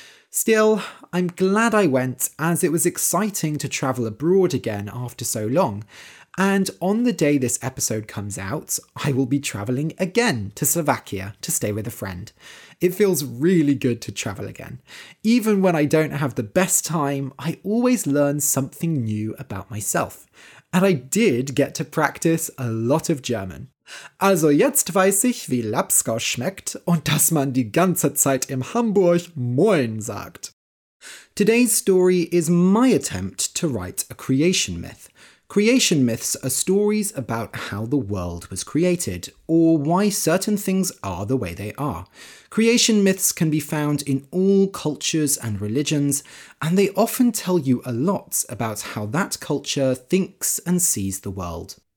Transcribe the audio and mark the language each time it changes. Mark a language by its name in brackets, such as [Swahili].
[English] Still, I'm glad I went, as it was exciting to travel abroad again after so long, and on the day this episode comes out, I will be travelling again to Slovakia to stay with a friend. It feels really good to travel again. Even when I don't have the best time, I always learn something new about myself. And I did get to practice a lot of German. [German] Also jetzt weiß ich, wie Labskaus schmeckt und dass man die ganze Zeit im Hamburg Moin sagt. [English] Today's story is my attempt to write a creation myth. Creation myths are stories about how the world was created, or why certain things are the way they are. Creation myths can be found in all cultures and religions, and they often tell you a lot about how that culture thinks and sees the world.